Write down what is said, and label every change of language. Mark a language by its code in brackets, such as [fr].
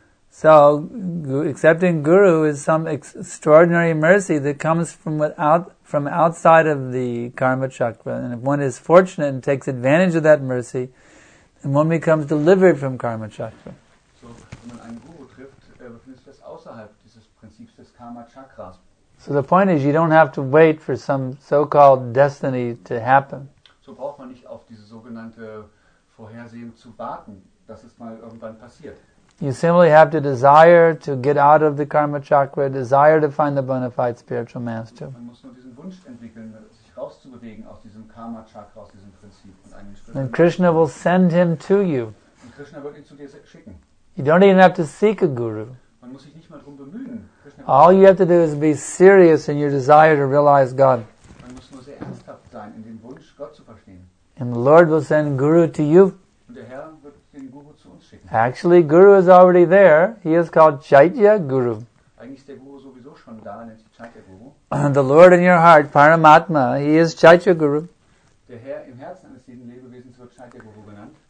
[en] So, accepting Guru is some extraordinary mercy that comes from outside of the karma chakra. And if one is fortunate and takes advantage of that mercy, then one becomes delivered from karma chakra. [de] So, wenn man einen Guru trifft, befindet sich das außerhalb dieses Prinzips des karma chakras. [en] So the point is, you don't have to wait for some so-called destiny to happen. [de] So braucht man nicht auf diese sogenannte Vorhersehen zu warten, dass es mal irgendwann passiert. [en] You simply have to desire to get out of the karma chakra, desire to find the bona fide spiritual master. [de] Man muss nur diesen Wunsch entwickeln, sich rauszubewegen aus diesem karma chakra, aus diesem Prinzip. [en] Then Krishna will send him to you. [de] Und Krishna wird ihn zu dir schicken. [en] You don't even have to seek a guru. [de] Man muss sich nicht mal drum bemühen. [en] All you have to do is be serious in your desire to realize God. [de] Man muss nur sehr ernsthaft sein, in dem Wunsch, Gott zu verstehen. [en] And the Lord will send guru to you. [de] Und der Herr wird den Guru zu uns schicken. [en] Actually, Guru is already there. He is called Chaitya Guru. [de] Eigentlich ist der Guru sowieso schon da, nennt sich Chaitya Guru. [en] And the Lord in your heart, Paramatma, he is Chaitya Guru. [de] Der Herr im Herzen eines jeden Lebewesens wird Chaitya Guru genannt.